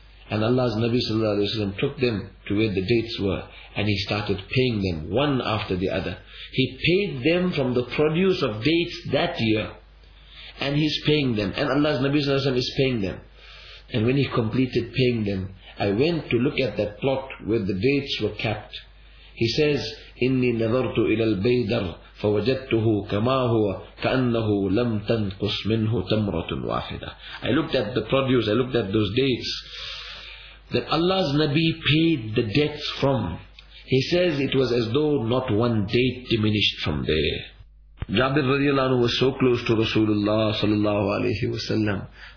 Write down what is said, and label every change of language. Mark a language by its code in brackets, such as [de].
[en] And Allah's Nabi sallallahu alayhi wa sallam took them to where the dates were, and he started paying them one after the other. He paid them from the produce of dates that year. And he's paying them. And Allah's Nabi sallallahu alayhi wa sallam is paying them. And when he completed paying them, I went to look at that plot where the dates were kept. He says, [ar] إِنِّي نَظَرْتُ إِلَى الْبَيْدَرْ فَوَجَدْتُهُ كَمَا هُوَ كَأَنَّهُ لَمْ تَنْقُسْ مِنْهُ تَمْرَةٌ وَاحِدَةٌ. [en] I looked at the produce, I looked at those dates that Allah's Nabi paid the debts from. He says, it was as though not one date diminished from there. Jabir radiallahu anhu was so close to Rasulullah sallallahu alayhi wa sallam.